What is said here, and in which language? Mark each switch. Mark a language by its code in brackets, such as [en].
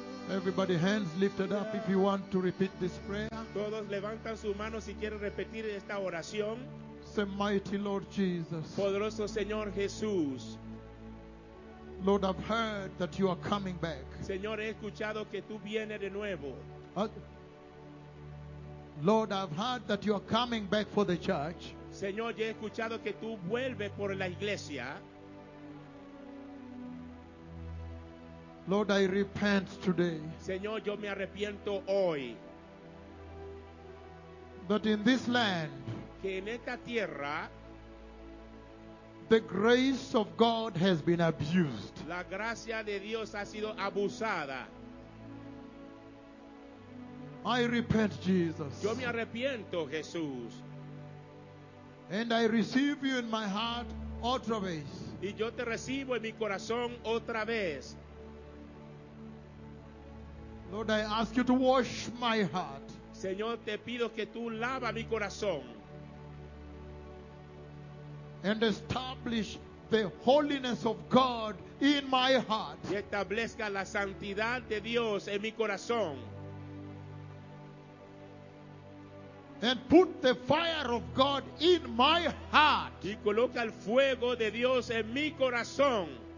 [en] Everybody, hands lifted up if you want to repeat this prayer. [es] Todos levantan su mano si quieren repetir esta oración. [en] Say, mighty Lord Jesus. [es] Poderoso Señor Jesús. [en] Lord, I've heard that you are coming back. [es] Señor, he escuchado que tú vienes de nuevo. [en] Lord, I've heard that you are coming back for the church. [es] Señor, he escuchado que tú vuelves por la iglesia. [en] Lord, I repent today. [es] Señor, yo me arrepiento hoy. [en] That in this land, [es] que en esta tierra, [en] the grace of God has been abused. [es] La gracia de Dios ha sido abusada. [en] I repent, Jesus. [es] Yo me arrepiento, Jesús. [en] And I receive you in my heart [es] otra vez. Y yo te recibo en mi corazón otra vez. [en] Lord, I ask you to wash my heart. [es] Señor, te pido que tú lava mi corazón. [en] And establish the holiness of God in my heart. [es] Y establezca la santidad de Dios en mi corazón. [en] And put the fire of God in my heart. [es] Y coloca el fuego de Dios en mi corazón.